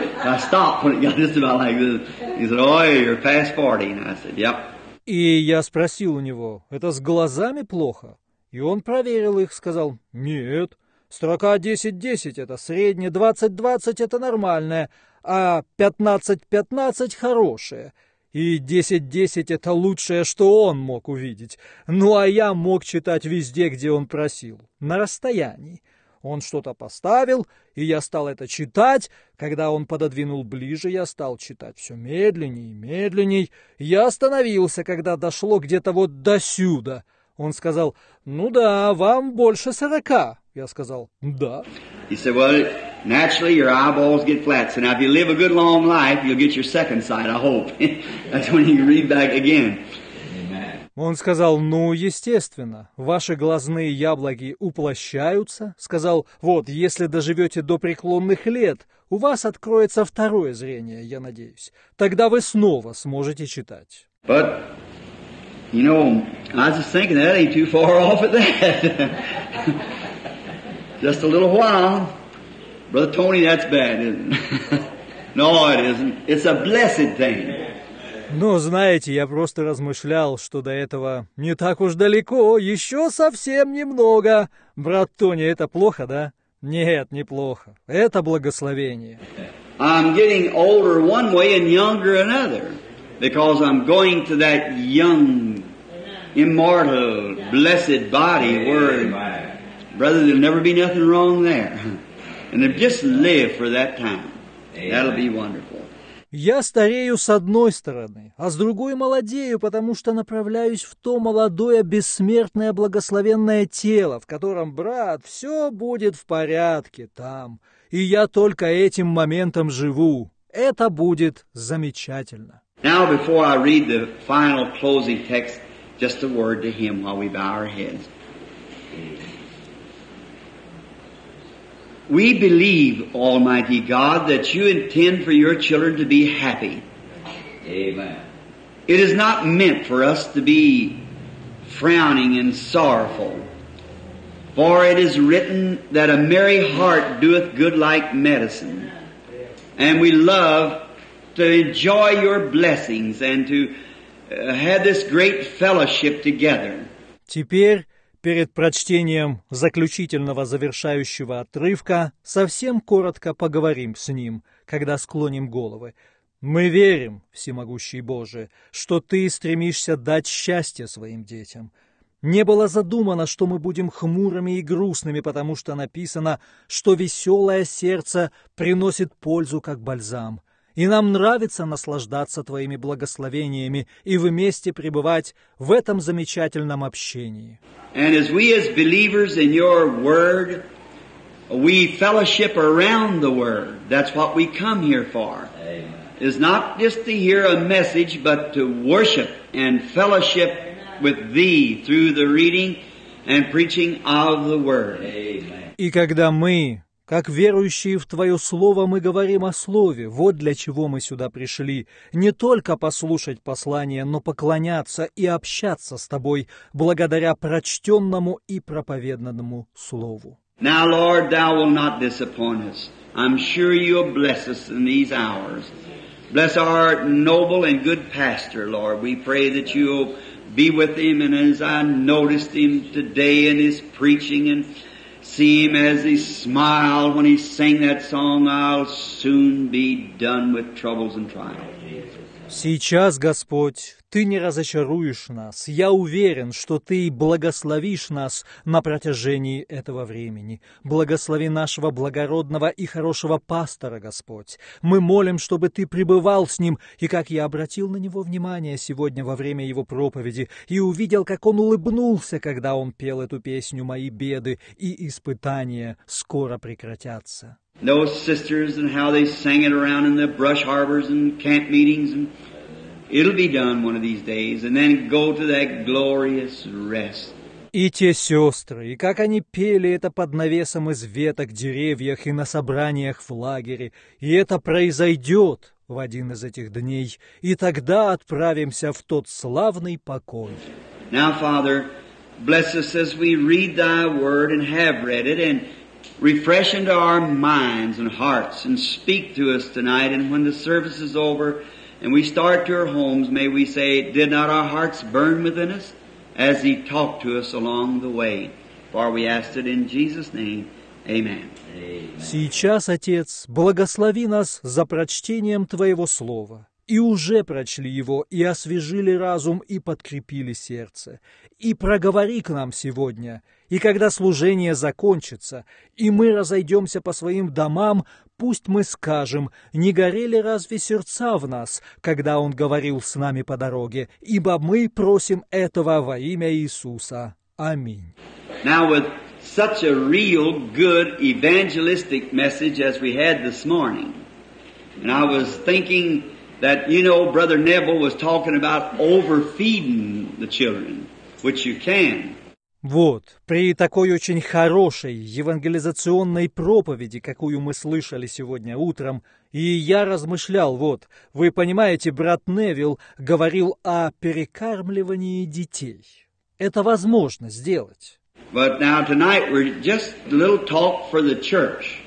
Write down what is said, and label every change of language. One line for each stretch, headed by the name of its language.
English: I stopped when it got just about like this. He said, oh, you're past 40, and I said, yep.
Russian: И я спросил у него, это с глазами плохо? И он проверил их, сказал, нет, строка 10-10 это среднее, 20-20 это нормальное, а 15-15 хорошее. И 10-10 это лучшее, что он мог увидеть. Ну а я мог читать везде, где он просил, на расстоянии. Он что-то поставил, и я стал это читать. Когда он пододвинул ближе, я стал читать все медленней и медленней. Я остановился, когда дошло где-то вот досюда. Он сказал, ну да, вам больше 40. Я сказал, да.
English: He said, well, naturally your eyeballs get flat. So now if you live a good long life, you'll get your second sight, I hope. That's when you read back again.
Russian: Он сказал, ну, естественно, ваши глазные яблоки уплощаются. Сказал, вот, если доживете до преклонных лет, у вас откроется второе зрение, я надеюсь. Тогда вы снова сможете читать.
English: But, you know, I was just thinking that ain't too far off at that. Just a little while. Brother Tony, that's bad, isn't it? No, it isn't. It's a blessed thing.
Russian: Ну, знаете, я просто размышлял, что до этого не так уж далеко, еще совсем немного. Брат Тони, это плохо, да? Нет, неплохо. Это благословение.
English: I'm getting older one way and younger another, because I'm going to that young, immortal, blessed body word. Brother, there'll never be nothing wrong there. And if just live for that time, that'll be wonderful.
Russian: Я старею с одной стороны, а с другой молодею, потому что направляюсь в то молодое, бессмертное, благословенное тело, в котором, брат, все будет в порядке там. И я только этим моментом живу. Это будет замечательно.
English: Now, before I read the final closing text, just a word to him while we bow our heads. We believe, Almighty God, that you intend for your children to be happy. Amen. It is not meant for us to be frowning and sorrowful. For it is written that a merry heart doeth good like medicine. And we love to enjoy your blessings and to have this great fellowship together.
Russian: Теперь, перед прочтением заключительного завершающего отрывка, совсем коротко поговорим с ним, когда склоним головы. Мы верим, всемогущий Божий, что ты стремишься дать счастье своим детям. Не было задумано, что мы будем хмурыми и грустными, потому что написано, что веселое сердце приносит пользу, как бальзам. И нам нравится наслаждаться твоими благословениями и вместе пребывать в этом замечательном общении.
English: And as we as believers in your word, we fellowship around the word. That's what we come here for. It's not just to hear a message, but to worship and fellowship with thee through the reading and preaching of the word.
Russian: И когда мы, как верующие в Твое Слово, мы говорим о Слове, вот для чего мы сюда пришли. Не только послушать послание, но поклоняться и общаться с Тобой благодаря прочтенному и проповеданному Слову.
English: Now, Lord, Thou will not disappoint us. I'm sure You'll bless us in these hours. Bless our noble and good pastor, Lord. We pray that You'll be with him, and as I noticed him today in his preaching and see him as he smiled when he sang that song, I'll soon be done with troubles and trials.
Russian: Сейчас, Господь, Ты не разочаруешь нас. Я уверен, что Ты благословишь нас на протяжении этого времени. Благослови нашего благородного и хорошего пастора, Господь. Мы молим, чтобы Ты пребывал с ним, и как я обратил на него внимание сегодня во время его проповеди, и увидел, как он улыбнулся, когда он пел эту песню «Мои беды и испытания скоро прекратятся».
English: Those sisters and how they sang it around in the brush harbors and camp meetings, and it'll be done one of these days, and then go to that glorious rest.
Russian: И те сестры, и как они пели это под навесом из веток деревьях и на собраниях в лагере, и это произойдет в один из этих дней, и тогда отправимся в тот славный покой.
English: Now, Father, bless us as we read Thy Word and have read it, and refresh into our minds and hearts and speak to us tonight. And when the service is over and we start to our homes, may we say, did not our hearts burn within us as He talked to us along the way? For we ask it in Jesus' name. Amen.
Russian: Сейчас, Отец, благослови нас за прочтением Твоего Слова. И уже прочли его, и освежили разум, и подкрепили сердце. И проговори к нам сегодня, и когда служение закончится, и мы разойдемся по своим домам, пусть мы скажем, не горели разве сердца в нас, когда он говорил с нами по дороге, ибо мы просим этого во имя Иисуса. Аминь.
English: Now with such a real good evangelistic message as we had this morning, and I was thinking that, you know, Brother Neville was talking about overfeeding the children, which you can.
Russian: Вот, при такой очень хорошей евангелизационной проповеди, какую мы слышали сегодня утром, и я размышлял, вот, вы понимаете, брат Невилл говорил о перекармливании детей. Это возможно сделать.
English: But now tonight we're just a little talk for the church.